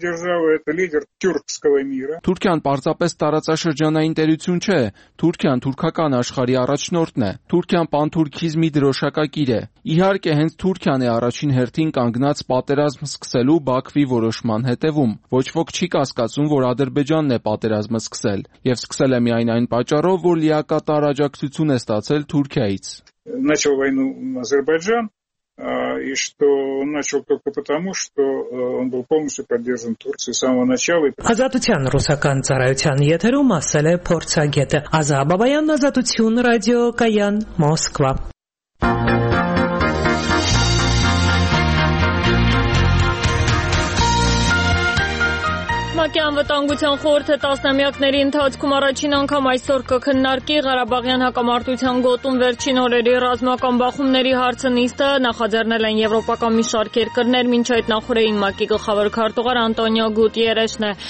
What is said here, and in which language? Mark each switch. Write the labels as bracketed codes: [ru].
[hy] Թուրքիան պարզապես տարածաշրջան ներդրություն չէ, Թուրքիան թուրքական աշխարհի առաջնորդն է, Թուրքիան պանթուրքիզմի դրոշակագիր է։ Իհարկե, հենց Թուրքիան է առաջին հերթին կանգնած պատերազմ սկսելու Բաքվի որոշման հետևում։ Ոչ ոք չի կասկածում, որ Ադրբեջանն է պատերազմը սկսել, եւ սկսել է միայն այն պատճառով, որ լիակատ առաջակցություն է ստացել Թուրքիայից։ [ru] Начал войну Азербайджан, и что начал только потому, что он был полностью поддержан Турцией с самого начала. [hy] Ազատության ռուսական ծառայության եթերում ասել է փորձագետը Ազահ Բաբայան, Ազատություն ռադիոկայան, Մոսկվա։ ՀԱԿ-ի անվտանգության խորհրդը տասնամյակների ընթացքում առաջին անգամ այսօր կքննարկի Ղարաբաղյան հակամարտության գոտում վերջին օրերի ռազմական բախումների հարցը։ Նիստը նախաձեռնել են եվրոպական մի շարք երկրներ, մինչ այդ նախորդին ՄԱԿ-ի գլխավոր քարտուղար Անտոնիո Գուտիերեշն է